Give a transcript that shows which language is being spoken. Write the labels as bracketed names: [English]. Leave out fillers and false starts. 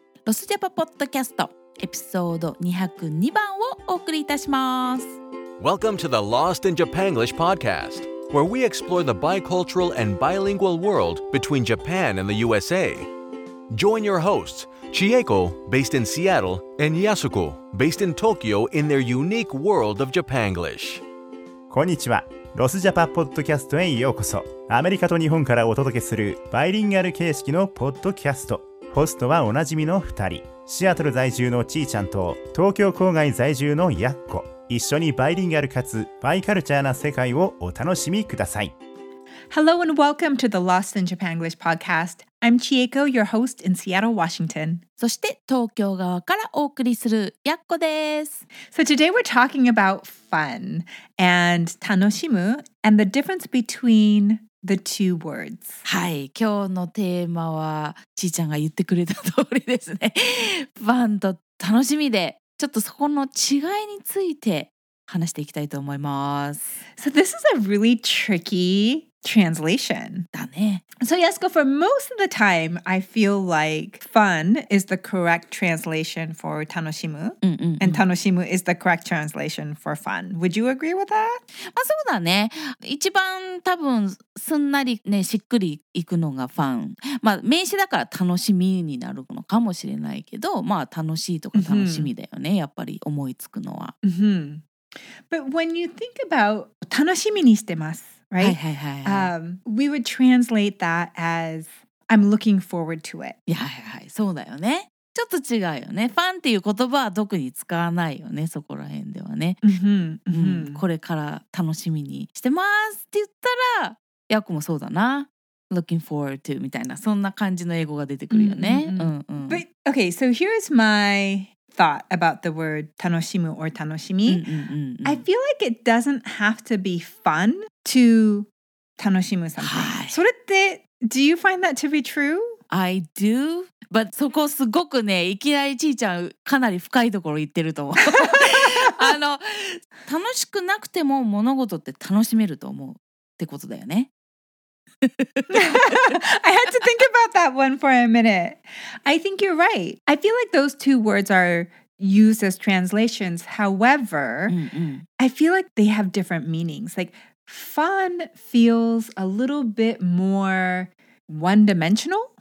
[Japanese] ロスジャパポッドキャスト、エピソード202番をお送りいたします。 [English] Welcome to the Lost in Japan English podcast, where we explore the bicultural and bilingual world between Japan and the USA. Join your hosts, Chieko, based in Seattle, and Yasuko, based in Tokyo, in their unique world of Japanglish. [Japanese] こんにちは。ロスジャパポッドキャストへようこそ。アメリカと日本からお届けするバイリンガル形式のポッドキャスト。ホストはおなじみの2人、シアトル在住のちーちゃんと東京郊外在住のやっこ。一緒にバイリンガルかつバイカルチャーな世界をお楽しみください。 [English] Hello and welcome to the Lost in Japan English podcast. I'm Chieko, your host in Seattle, Washington. [Japanese] そして東京側からお送りするやっこです。 [English] So today we're talking about fun and 楽しむ and the difference betweenThe two words. [Japanese] はい、今日のテーマはちーちゃんが言ってくれた通りですね。ファンと楽しみで、ちょっとそこの違いについて話していきたいと思います。 [English] So this is a really tricky translation. [Japanese] だね。 [English] So Yasuko, for most of the time, I feel like fun is the correct translation for 楽しむ、 [Japanese] うんうんうん、 [English] and 楽しむ is the correct translation for fun. Would you agree with that? [Japanese] まあそうだね。一番多分すんなりね、しっくりいくのがファン。まあ名詞だから楽しみになるのかもしれないけど、まあ楽しいとか楽しみだよね、 [English] mm-hmm. [Japanese] やっぱり思いつくのは。 [English] Mm-hmm. But when you think about [Japanese] 楽しみにしてます、 [English] right? [Japanese] はいはいはい、 [English] we would translate that as I'm looking forward to it. [Japanese] いやはいはい、そうだよね。ちょっと違うよね。ファンっていう言葉は特に使わないよね、そこら辺ではね。 [English] Mm-hmm. [Japanese] うん、これから楽しみにしてますって言ったら、ヤコもそうだな。 [English] Looking forward to [Japanese] みたいな、そんな感じの英語が出てくるよね。 [English] Mm-hmm. [Japanese] うんうん、 [English] But okay, so here's my thought about the word 楽しむ or 楽しみ。 [Japanese] うんうんうんうん、 [English] I feel like it doesn't have to be fun to 楽しむ something. [Japanese] はい。それって、 [English] do you find that to be true? I do. But [Japanese] そこすごくね、いきなりちーちゃんかなり深いところ言ってると思う。あの、楽しくなくても物事って楽しめると思うってことだよね。 [English] I had to think about that one for a minute. I think you're right. I feel like those two words are used as translations. However, I feel like they have different meanings. Like, fun feels a little bit more one-dimensional.